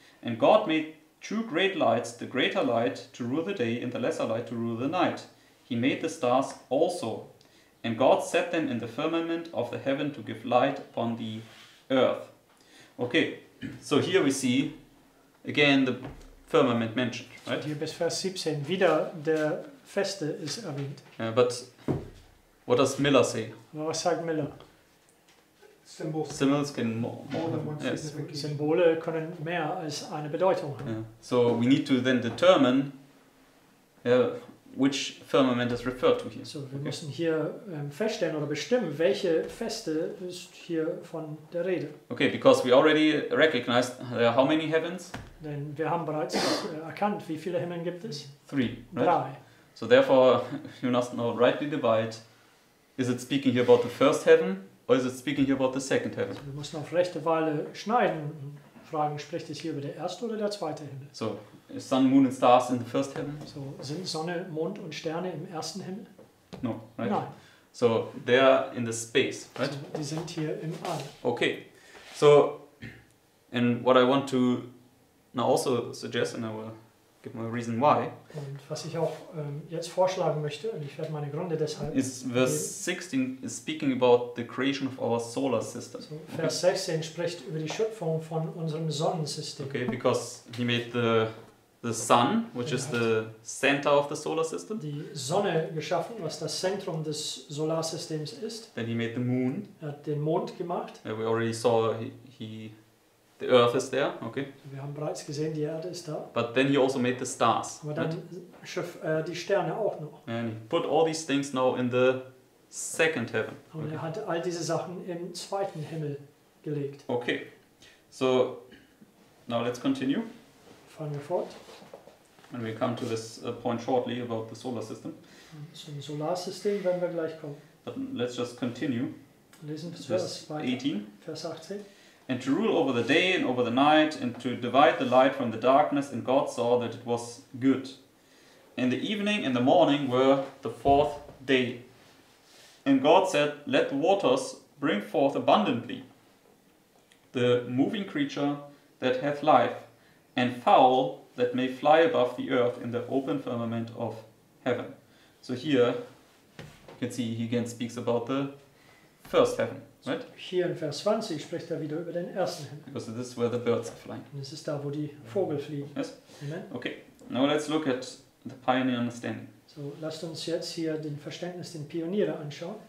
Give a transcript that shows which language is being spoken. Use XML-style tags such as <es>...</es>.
<en>And God made two great lights, the greater light to rule the day, and the lesser light to rule the night. He made the stars also. And God set them in the firmament of the heaven to give light upon the earth. Okay, so here we see again the firmament mentioned, right?</en> <de>Hier bis Vers 17, wieder der Feste ist erwähnt.</de> <en>Yeah, but what does Miller say?</en> <de>Was sagt Miller?</de> <en>Symbols can more than one yes.</en> <de>Symbole können mehr als eine Bedeutung haben.</de> <en>Yeah. So we need to then determine which firmament is referred to here.</en> <de>So wir müssen hier feststellen oder bestimmen, welche Feste ist hier von der Rede.</de> <en>Okay, because we already recognized there are how many heavens?</en> <de>Denn wir haben bereits erkannt, wie viele Himmel gibt es?</de> <en>Three, right?</en> <de>Drei.</de> <en>So therefore, you must now rightly divide. Is it speaking here about the first heaven or is it speaking here about the second heaven?</en> <de>Also, wir müssen auf rechte Weile schneiden und fragen, spricht es hier über der erste oder der zweite Himmel?</de> <en>So, is sun, moon and stars in the first heaven?</en> <de>So, sind Sonne, Mond und Sterne im ersten Himmel?</de> <en>No, right?</en> <de>Nein.</de> <en>So, they are in the space, right?</en> <de>So, die sind hier im All.</de> <en>Okay. So, and what I want to now also suggest, and I will give me a reason why.</en> <de>Und was ich auch jetzt vorschlagen möchte, und ich werde meine Gründe deshalb...</de> <en>Is verse 16 is speaking about the creation of our solar system.</en> <de>So, Vers 16 spricht über die Schöpfung von unserem Sonnensystem.</de> <en>Okay, because he made the sun, which is the center of the solar system.</en> <de>Die Sonne geschaffen, was das Zentrum des Solarsystems ist.</de> <en>Then he made the moon.</en> <de>Er hat den Mond gemacht.</de> <en>Yeah, we already saw the earth is there, okay.</en> <de>Wir haben bereits gesehen, die Erde ist da.</de> <en>But then he also made the stars.</en> <de>Aber dann die Sterne auch noch.</de> <en>And he put all these things now in the second heaven.</en> <de>Und okay. Er hat all diese Sachen im zweiten Himmel gelegt.</de> <en>Okay. So, now let's continue.</en> <de>Fahren wir fort.</de> <en>And we come to this point shortly about the solar system.</en> <de>Zum Solarsystem werden wir gleich kommen.</de> <en>But let's just continue.</en> <de>Lesen wir Vers 18. Vers 18.</de> <en>And to rule over the day and over the night, and to divide the light from the darkness, and God saw that it was good. And the evening and the morning were the fourth day. And God said, Let the waters bring forth abundantly the moving creature that hath life, and fowl that may fly above the earth in the open firmament of heaven. So here, you can see he again speaks about the first heaven, right? So here in verse 20</en> <de>spricht wieder über den ersten Himmel.</de> <en>Because this is where the birds are flying.</en> <de>Und das ist da, wo die Vögel fliegen.</de> <en>Yes. Amen. Okay, now let's look at the pioneer understanding.</en> <de>So lasst uns jetzt hier den Verständnis, den Pioniere anschauen.</de>